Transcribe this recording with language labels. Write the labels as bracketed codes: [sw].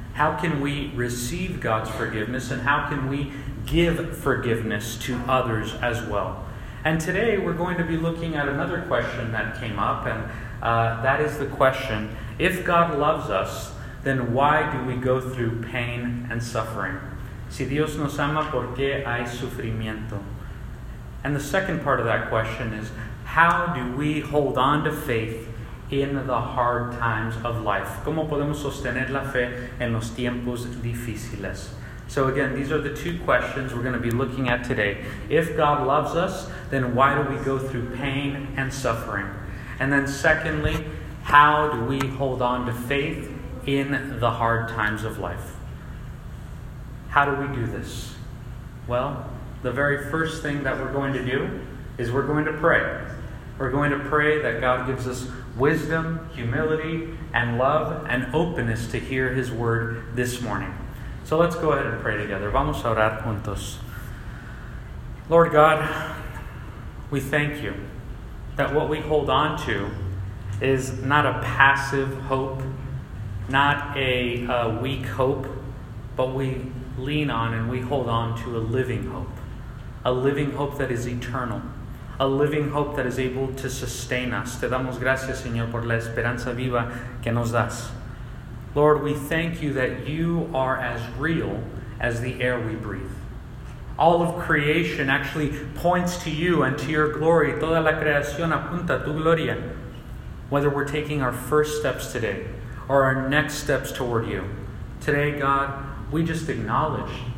[en] How can we receive God's forgiveness and how can we give forgiveness to others as well? And today we're going to be looking at another question that came up, and that is the question, if God loves us, then why do we go through pain and suffering? [es] Si Dios nos ama, ¿por qué hay sufrimiento? [en] And the second part of that question is, how do we hold on to faith in the hard times of life? [es] ¿Cómo podemos sostener la fe en los tiempos difíciles? [en] So again, these are the two questions we're going to be looking at today. If God loves us, then why do we go through pain and suffering? And then secondly, how do we hold on to faith in the hard times of life? How do we do this? Well, the very first thing that we're going to do is we're going to pray. We're going to pray that God gives us wisdom, humility, and love, and openness to hear His word this morning. So let's go ahead and pray together. [es] Vamos a orar juntos. [en] Lord God, we thank you that what we hold on to is not a passive hope, not a weak hope, but we lean on and we hold on to a living hope that is eternal, a living hope that is able to sustain us. [es] Te damos gracias, Señor, por la esperanza viva que nos das. [en] Lord, we thank you that you are as real as the air we breathe. All of creation actually points to you and to your glory. [es] Toda la creación apunta a tu gloria. [en] Whether we're taking our first steps today or our next steps toward you, today, God, we just acknowledge